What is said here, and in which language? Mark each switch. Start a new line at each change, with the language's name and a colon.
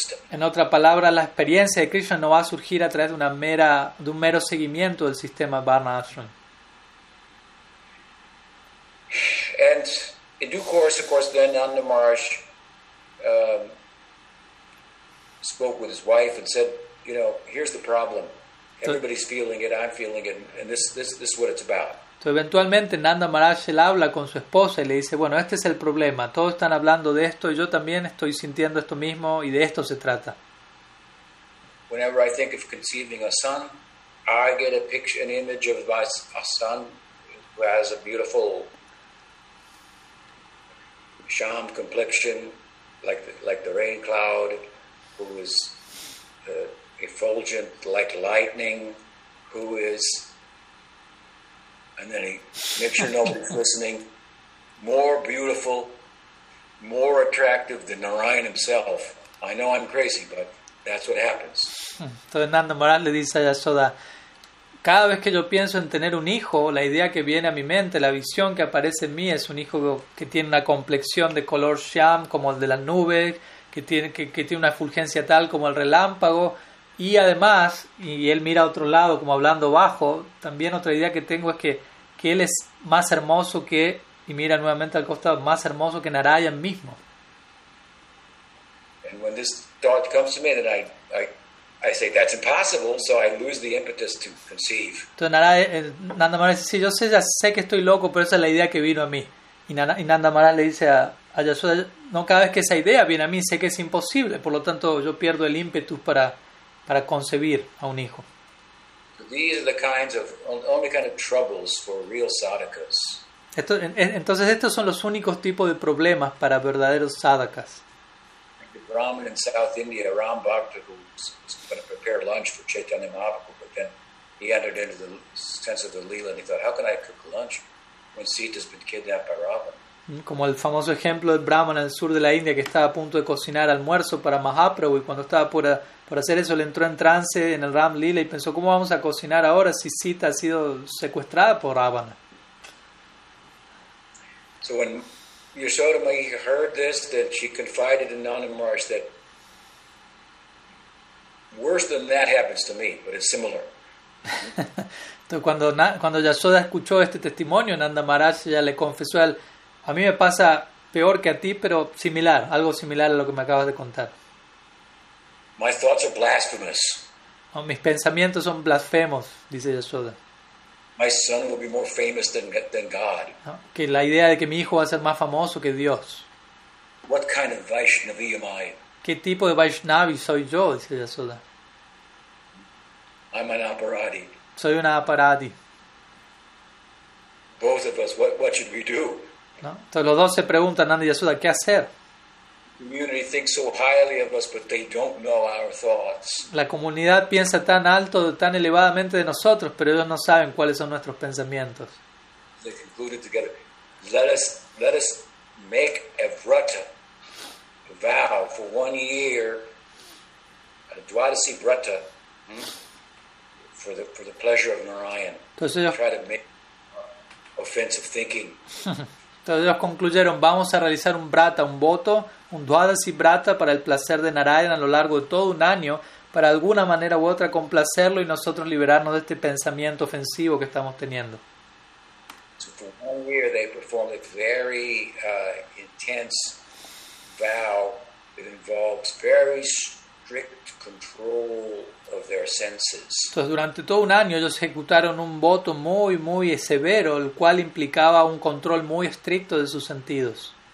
Spanish: En otra palabra, la experiencia de Krishna no va a surgir a través de un mero seguimiento del sistema varnashram.
English: And in due course, of course, then Nanda Maharaj spoke with his wife and said, you know, here's the problem. Everybody's feeling it, I'm feeling it, and this is what it's about.
Spanish: Entonces, eventualmente Nanda Maharaj él habla con su esposa y le dice, bueno, este es el problema, todos están hablando de esto y yo también estoy sintiendo esto mismo y de esto se trata.
English: Whenever I think of conceiving a son, I get a picture, an image of a son who has a beautiful sham complexion, like the rain cloud, who is effulgent like lightning, who is... And then he makes sure nobody's listening. More beautiful, more attractive than Narayan himself. I know I'm crazy, but that's what happens.
Spanish: Entonces Nanda Maharaj le dice a Yashoda, cada vez que yo pienso en tener un hijo, la idea que viene a mi mente, la visión que aparece en mí es un hijo que tiene una complexión de color sham como el de las nubes, que tiene una efulgencia tal como el relámpago. Y además, y él mira a otro lado como hablando bajo, también otra idea que tengo es que él es más hermoso que, y mira nuevamente al costado, más hermoso que Narayan mismo.
English: And when this thought comes to me, then I say, that's impossible, so I lose the impetus to conceive.
Spanish: Entonces Nanda Maharaj dice, sí, yo sé, ya sé que estoy loco, pero esa es la idea que vino a mí. Y Nanda Maharaj le dice a Yashoda, no, cada vez que esa idea viene a mí, sé que es imposible, por lo tanto yo pierdo el ímpetu para concebir a un hijo. Entonces estos son los únicos tipos de problemas para verdaderos sadhakas.
English: The Brahmin in South India, Ram Bhakta, who was going to prepare lunch for Chaitanya Mahaprabhu, but then he entered into the sense of the Leela and he thought, how can I cook lunch when Sita's been kidnapped by Ravan?
Spanish: Como el famoso ejemplo del Brahman en el sur de la India que estaba a punto de cocinar almuerzo para Mahaprabhu y cuando estaba por hacer eso le entró en trance en el Ram Lila y pensó, ¿cómo vamos a cocinar ahora si Sita ha sido secuestrada por Ravana?
English: So when Yashoda Mahi heard this, that she confided in Nanda Maharaj that Worse than that happens to me, but it's similar.
Spanish: Entonces, cuando Yashoda escuchó este testimonio, Nanda Maharaj ya le confesó a él, a mí me pasa peor que a ti, pero similar, algo similar a lo que me acabas de contar.
English: My thoughts are blasphemous.
Spanish: Oh, mis pensamientos son blasfemos, dice Yashoda.
English: My son will be more famous than God.
Spanish: No, que la idea de que mi hijo va a ser más famoso que Dios.
English: What kind of Vaishnavi am I?
Spanish: ¿Qué tipo de Vaishnavi soy yo? Dice Yashoda.
English: I'm an aparadi.
Spanish: Soy un aparadi.
English: Both of us, what should we do?
Spanish: ¿No? Entonces los dos se preguntan, Nanda y Yashoda, ¿qué hacer?
English: Community thinks so highly of us, but they don't know our thoughts.
Spanish: La comunidad piensa tan alto, tan elevadamente de nosotros, pero ellos no saben cuáles son nuestros pensamientos.
English: They concluded together, let us make a vrata, a vow for 1 year, a dvadasi vrata, for the pleasure of Narayan.
Spanish: Entonces ellos...
English: Try to make offensive thinking.
Spanish: Entonces ellos concluyeron, vamos a realizar un vrata, un voto, un dvadasi vrata para el placer de Narayan a lo largo de todo un año, para alguna manera u otra complacerlo y nosotros liberarnos de este pensamiento ofensivo que estamos teniendo.
English: So for 1 year they performed a very intense vow that involves very strict control of their senses.
Spanish: Entonces durante todo un año ellos ejecutaron un voto muy muy severo, el cual implicaba un control muy estricto de sus sentidos.